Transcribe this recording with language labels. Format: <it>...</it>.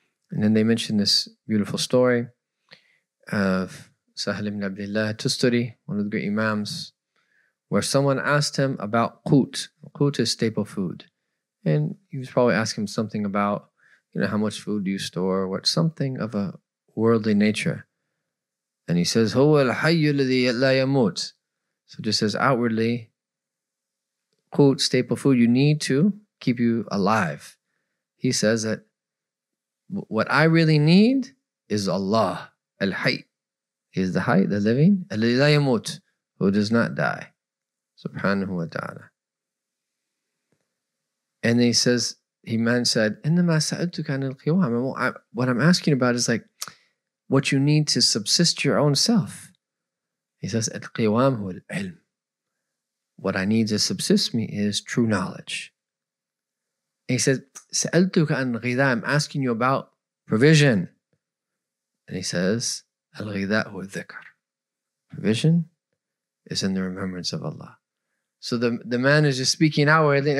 <en>And then they mention this beautiful story of Sahl ibn Abdullah Tusturi, one of the great imams, where someone asked him about qut. Qut is staple food. And he was probably asking him something about, you know, how much food do you store? What, something of a worldly nature. And he says,</en> <ar>هُوَ الْحَيُّ الَّذِي لَا يَمُوتُ.</ar> <en>So just says outwardly, quote, staple food, you need to keep you alive. He says that what I really need is Allah.</en> <ar>الْحَيُّ.</ar> <en>He is the height, the living.</en> <ar>الَّذِي لَا يَمُوتُ.</ar> <en>Who does not die. Subhanahu wa ta'ala. And he says, he man said,</en> <ar>إِنَّمَا سَأَلْتُكَ عَنِ الْقِيَوَامِ.</ar> <en>What I'm asking about is like, what you need to subsist your own self.</en> <ar>He says, القيوام هو العلم.</ar> <en>What I need to subsist me is true knowledge. And he says,</en> <ar>سألتك عن غذاء.</ar> <en>I'm asking you about provision. And he says,</en> <ar>الغذاء هو الذكر.</ar> <en>Provision is in the remembrance of Allah. So the man is just speaking outwardly.</en>